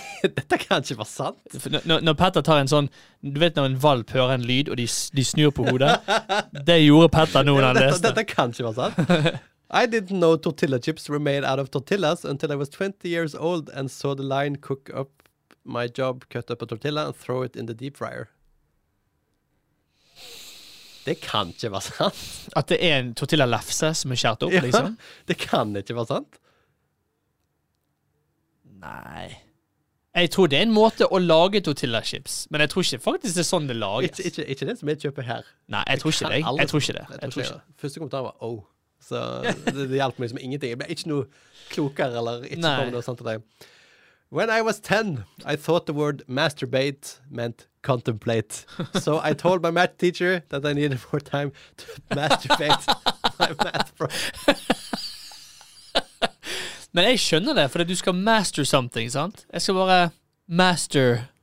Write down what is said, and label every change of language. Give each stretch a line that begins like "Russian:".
Norwegian: Dette kan ikke være sant. Når Petter tar en sånn, du vet når en valp hører en lyd og de snur på hodet. Det gjorde Petter noen av dette. Dette kan ikke være sant.
English: I didn't know tortilla chips were made out of tortillas until I was 20 years old and saw the line cook up my job, cut up a tortilla and throw it in the deep fryer.
Norwegian: Det kan ikke være sant. At det er en tortilla lefse som er kjært opp, ja, liksom? Det kan ikke være sant. Nei. Jeg tror det er en måte å lage tortilla chips, men jeg tror ikke faktisk det er sånn det lages. Ikke den som jeg kjøper her. Nei, jeg tror ikke det. Første kommentar var, oh. Så det hjelper meg liksom ingenting. Jeg ble ikke noe klokere, eller ikke kommer noe sånt til deg.
English: When I was 10, I thought the word masturbate meant contemplate. So I told my math teacher that I needed more time to masturbate my math problem.
Norwegian: Men jeg skjønner det, for du skal
English: master something,
Norwegian: sant? Jeg skal bare master